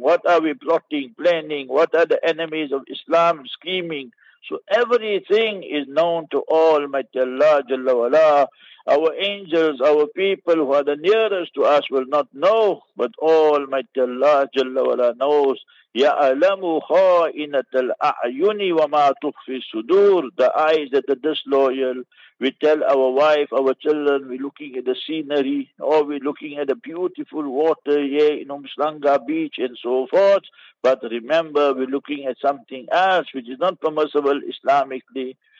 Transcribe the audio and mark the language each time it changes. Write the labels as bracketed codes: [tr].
[en] What are we plotting, planning? What are the enemies of Islam scheming? So everything is known to Almighty Allah Jalla Wala. Our angels, our people who are the nearest to us will not know, but Almighty Allah Jalla Wala knows. [ar] يألم خائنة الأعين وما تخفي الصدور. [en] The eyes that are disloyal, we tell our wife, our children, we're looking at the scenery, or we're looking at the beautiful water here in Umslanga Beach and so forth. But remember, we're looking at something else which is not permissible Islamically.